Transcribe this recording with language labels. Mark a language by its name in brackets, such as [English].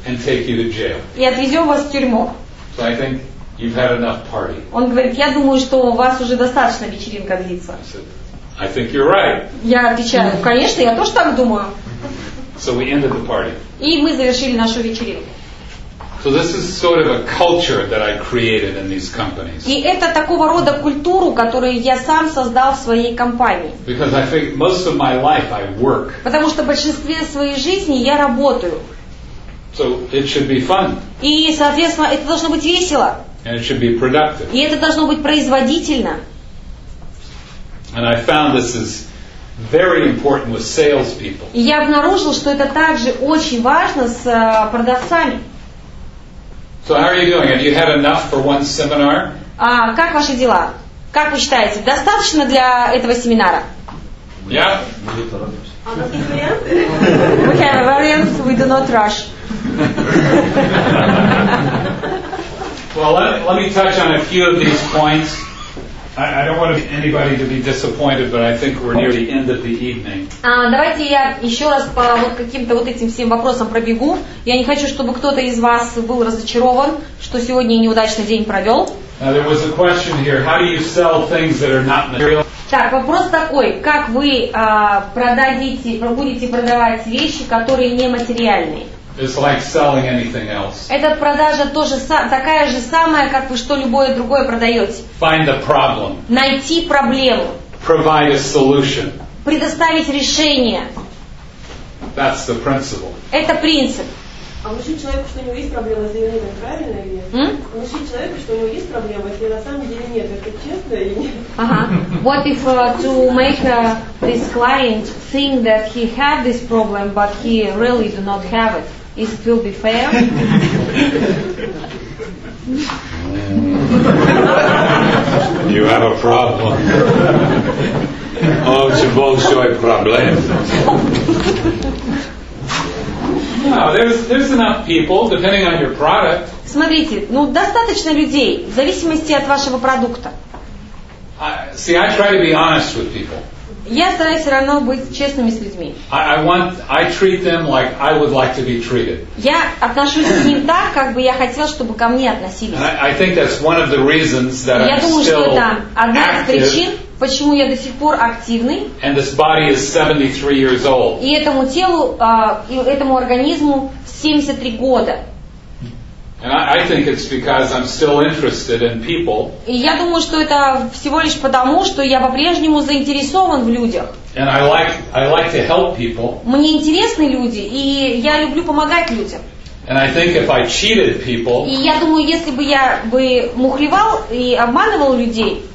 [English] And take you to jail. [Russian] И отвезем вас в тюрьму. [English] So I think you've had enough party. [Russian] Он говорит, я думаю, что у вас уже достаточно вечеринка длится. [English] I said, I think you're right. [Russian] Я отвечаю, конечно, я тоже так думаю. [English] So we ended the party. [Russian] И мы завершили нашу вечеринку. [English] So this is sort of a culture that I created in these companies. [Russian] И это такого рода культуру, которую я сам создал в своей компании. [English] Because I think most of my life I work. [Russian] Потому что большинстве своей жизни я работаю. [English] So it should be fun. [Russian] И, соответственно, это должно быть весело. [English] And it should be productive. [Russian] И это должно быть производительно. [English] And I found this is very important with salespeople. [Russian] И я обнаружил, что это также очень важно с продавцами. [English] So how are you doing? Have you had enough for one seminar? [Russian] Как ваши дела? Как вы считаете, достаточно для этого семинара? [English] Yeah. We have a variant. We do not rush. Well, let me touch on a few of these points. I don't want anybody to be disappointed, but I think we're near the end of the evening. [Russian] Давайте я еще раз по вот каким-то вот этим всем вопросам пробегу. Я не хочу, чтобы кто-то из вас был разочарован, что сегодня неудачный день провел. [English] Now, there was a question here. How do you sell things that are not material? [Russian] Так, вопрос такой. Как вы продадите, будете продавать вещи, которые не материальные? [English] It's like selling anything else. [Russian] Эта продажа тоже такая же самая, как вы что любое другое продаете. [English] Find the problem. [Russian] Найти проблему. [English] Provide a solution. [Russian] Предоставить решение. [English] That's the principle. [Russian] Это принцип. А внушить человеку, что у него есть проблема, это не так правильно или нет? Внушить человеку, что у него есть проблема, если на самом деле нет, это честно или нет? Ага. [English] What if to make this client think that he had this problem, but he really do not have it? Is it will be fair? You have a problem. Oh, it's a [Russian] большой [English] problem. No, there's enough people, depending on your product. [Russian] Смотрите, ну достаточно людей, в зависимости от вашего продукта. [English] See, I try to be honest with people. [Russian] Я стараюсь все равно быть честными с людьми. [English] I treat them like I would like to be treated. [Russian] Я отношусь к ним так, как бы я хотел, чтобы ко мне относились. [English] I think that's one of the reasons that [Russian] я думаю, [English] still [Russian] что это одна из причин, почему я до сих пор активный. [English] And this body is 73 years old. [Russian] И этому телу, этому организму 73 года. [English] And I think it's because I'm still interested in people. [Russian] И я думаю, что это всего лишь потому, что я по-прежнему заинтересован в людях. [English] And I like to help people. [Russian] Мне интересны люди, и я люблю помогать людям. [English] And I think if I cheated people. [Russian] И я думаю, если бы я бы мухлевал и обманывал людей.